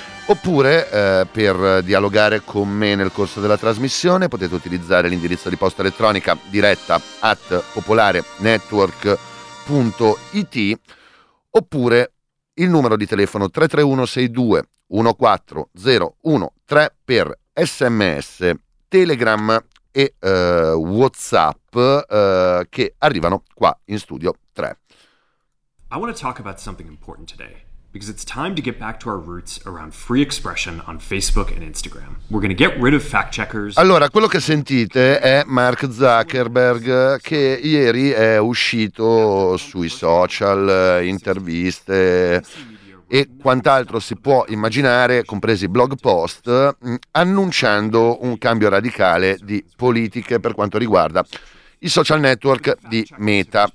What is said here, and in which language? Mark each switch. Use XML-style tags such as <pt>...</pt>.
<it>Oppure per dialogare con me nel corso della trasmissione potete utilizzare l'indirizzo di posta elettronica diretta@popolarenetwork.it oppure il numero di telefono 331-62-14013 per SMS, Telegram e WhatsApp che arrivano qua in studio 3.</it> <en>I want to talk about something important today. Because it's time to get back to our roots around free expression on Facebook and Instagram. We're going to get rid of fact checkers.</en> <it>Allora, quello che sentite è Mark Zuckerberg che ieri è uscito sui social, interviste e quant'altro si può immaginare, compresi blog post, annunciando un cambio radicale di politiche per quanto riguarda i social network di Meta.</it>